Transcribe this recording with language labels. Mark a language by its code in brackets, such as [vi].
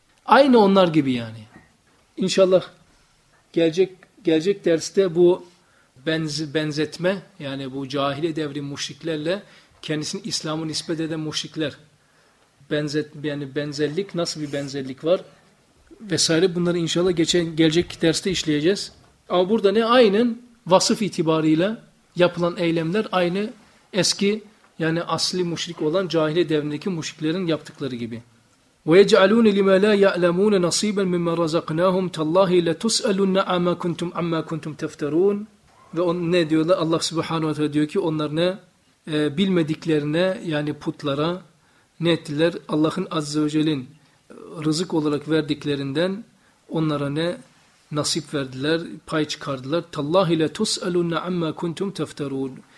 [tr] Aynı onlar gibi yani. İnşallah gelecek derste bu benzetme, yani bu cahiliye devri müşriklerle kendisini İslam'a nispet eden müşrikler yani benzerlik, nasıl bir benzerlik var vesaire, bunları inşallah gelecek derste işleyeceğiz. Ama burada ne? Aynen vasıf itibarıyla yapılan eylemler aynı eski yani asli müşrik olan cahiliye devrindeki müşriklerin yaptıkları gibi. [ar] وَيَجْعَلُونَ لِمَا لَا يَعْلَمُونَ نَصِيبًا مِمَّا رَزَقْنَاهُمْ تَاللّٰهِ لَتُسْأَلُنَّ عَمَّا كُنْتُمْ تَفْتَرُونَ [tr] Ve ne diyorlar? Allah Subhanahu ve Teala diyor ki onlar ne? Bilmediklerine yani putlara ne ettiler? Allah'ın Azze ve Celle'nin rızık olarak verdiklerinden onlara ne? Nasip verdiler, pay çıkardılar. [ar] Tallahi le tus'alunna amma kuntum teftarun.